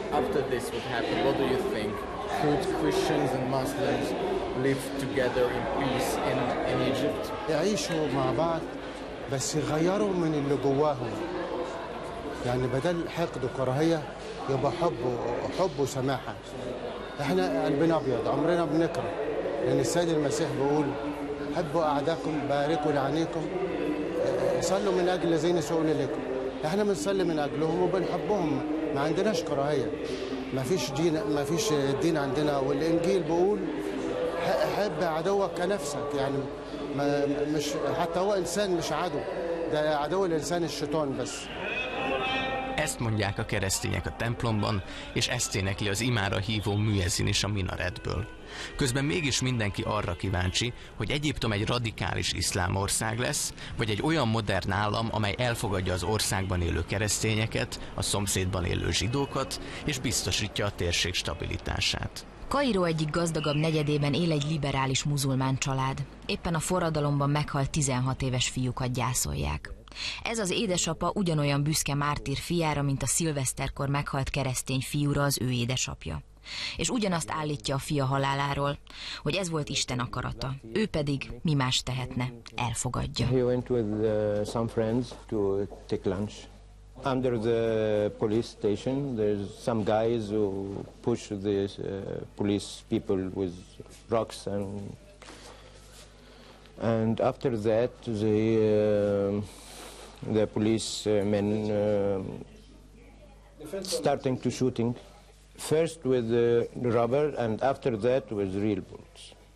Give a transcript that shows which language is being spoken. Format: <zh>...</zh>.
<en>after this would happen what do you think could Christians and Muslims live together in peace in Egypt</en> <ar>يعيشوا مع بعض بس يغيروا من اللي جواهم يعني بدل حقد وكراهيه يبقى حب وحب وسماحه احنا قلبنا ابيض عمرنا بنكره لان السيد المسيح بيقول حبوا اعداءكم باركوا لعنيكم صلوا من اجل الذين سئلوا لكم احنا بنصلي من اجلهم وبنحبهم ما عندناش كراهيه ما فيش دين عندنا والانجيل بيقول حب عدوك كنفسك يعني مش حتى هو انسان مش عدو ده عدو الانسان الشيطان بس</ar> <hu>Ezt mondják a keresztények a templomban, és ezt énekli az imára hívó müezzin is a minaretből. Közben mégis mindenki arra kíváncsi, hogy Egyiptom egy radikális iszlám ország lesz, vagy egy olyan modern állam, amely elfogadja az országban élő keresztényeket, a szomszédban élő zsidókat, és biztosítja a térség stabilitását. Kairó egyik gazdagabb negyedében él egy liberális muzulmán család. Éppen a forradalomban meghalt 16 éves fiúkat gyászolják. Ez az édesapa ugyanolyan büszke mártír fiára, mint a szilveszterkor meghalt keresztény fiúra az ő édesapja. És ugyanazt állítja a fia haláláról, hogy ez volt Isten akarata. Ő pedig, mi más tehetne, elfogadja.</hu> <en>He went with some friends to take lunch. Under the police station, there's some guys who push the police people with rocks, and after that, the policemen starting to shooting, first with the rubber, and after that with real bullets.</en>